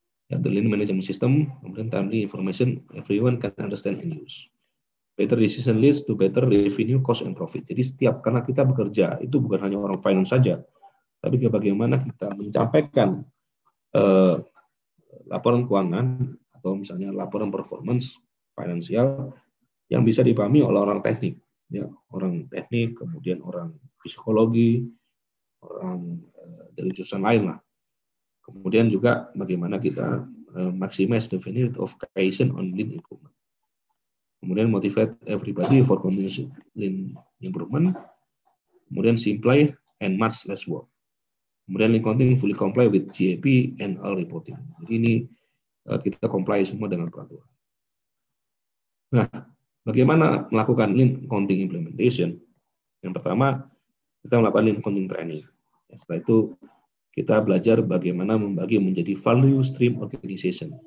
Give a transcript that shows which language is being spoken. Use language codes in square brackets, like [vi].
[en] Ya, the lean management system, [id] kemudian [en] timely information everyone can understand and use. Better decision leads to better revenue, cost, and profit. [id] Jadi setiap karena kita bekerja itu bukan hanya orang finance saja, tapi bagaimana kita menyampaikan laporan keuangan atau misalnya laporan performance finansial yang bisa dipahami oleh orang teknik. Ya, orang teknik, kemudian orang psikologi, orang dari jurusan lain lah. Kemudian juga bagaimana kita [en] maximize the benefit of creation on lean improvement. [id] Kemudian [en] motivate everybody for continuous lean improvement. [id] Kemudian [en] simply and much less work. [id] Kemudian [en] lean counting fully comply with GAP and all reporting. [id] Jadi ini kita comply semua dengan peraturan. Nah, bagaimana melakukan lean counting implementation? Yang pertama, kita melakukan lean counting training. Setelah itu, kita belajar bagaimana membagi menjadi value stream organization.